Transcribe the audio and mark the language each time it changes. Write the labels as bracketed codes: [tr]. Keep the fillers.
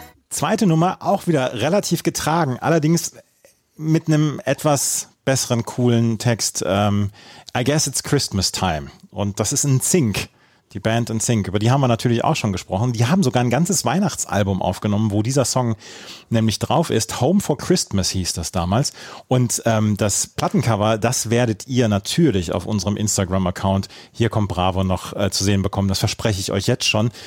[de] Zweite Nummer, auch wieder relativ getragen, allerdings mit einem etwas besseren, coolen Text. [en] Ähm, I guess it's Christmas time. [de] Und das ist in Zink. Die Band in Zink, über die haben wir natürlich auch schon gesprochen. Die haben sogar ein ganzes Weihnachtsalbum aufgenommen, wo dieser Song nämlich drauf ist. Home for Christmas hieß das damals. Und ähm, das Plattencover, das werdet ihr natürlich auf unserem Instagram-Account hier kommt Bravo noch äh, zu sehen bekommen. Das verspreche ich euch jetzt schon.